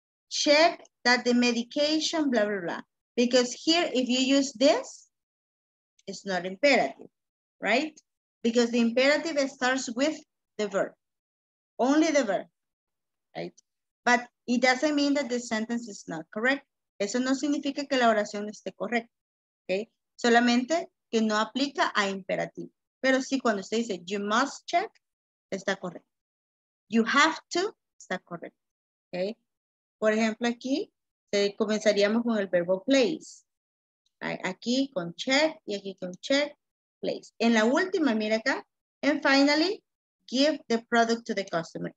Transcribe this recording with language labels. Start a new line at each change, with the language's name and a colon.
English: Check that the medication, blah, blah, blah. Because here, if you use this, it's not imperative, right? Because the imperative starts with the verb, only the verb, right? But it doesn't mean that the sentence is not correct.
Spanish: Eso no significa que la oración esté correcta, okay? Solamente que no aplica a imperativo. Pero sí, cuando usted dice,
English: you must check,
Spanish: está correcto.
English: You have to,
Spanish: está correcto,
English: okay?
Spanish: Por ejemplo, aquí comenzaríamos con el verbo place. Aquí con check y aquí con check, place. En la última, mira acá.
English: And finally, give the product to the customer.